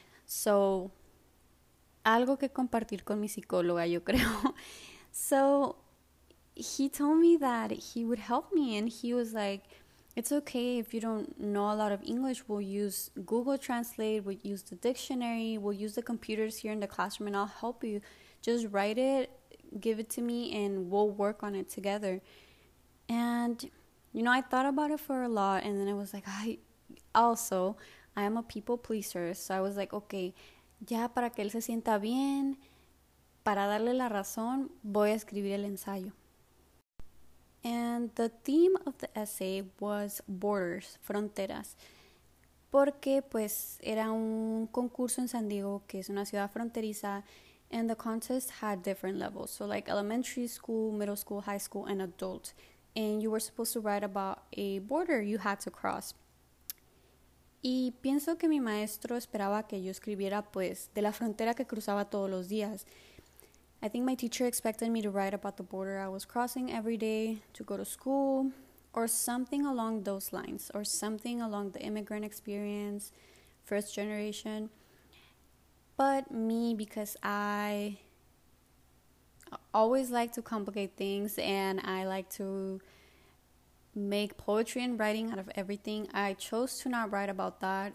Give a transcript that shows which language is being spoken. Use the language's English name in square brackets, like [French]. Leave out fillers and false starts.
[Spanish] So, algo que compartir con mi psicóloga, yo creo. [English] So, he told me that he would help me, and he was like, "It's okay if you don't know a lot of English. We'll use Google Translate, we'll use the dictionary, we'll use the computers here in the classroom, and I'll help you. Just write it, give it to me, and we'll work on it together." And, you know, I thought about it for a lot, and then I was like, I am a people pleaser, so I was like, okay, [Spanish] ya para que él se sienta bien, para darle la razón, voy a escribir el ensayo. [English] And the theme of the essay was borders, [Spanish] fronteras, porque pues era un concurso en San Diego, que es una ciudad fronteriza, [English] and the contest had different levels, so like elementary school, middle school, high school, and adult. And you were supposed to write about a border you had to cross. [Spanish] Y pienso que mi maestro esperaba que yo escribiera pues de la frontera que cruzaba todos los días. [English] I think my teacher expected me to write about the border I was crossing every day to go to school, or something along those lines, or something along the immigrant experience, first generation. But me, because I always like to complicate things and I like to make poetry and writing out of everything, I chose to not write about that.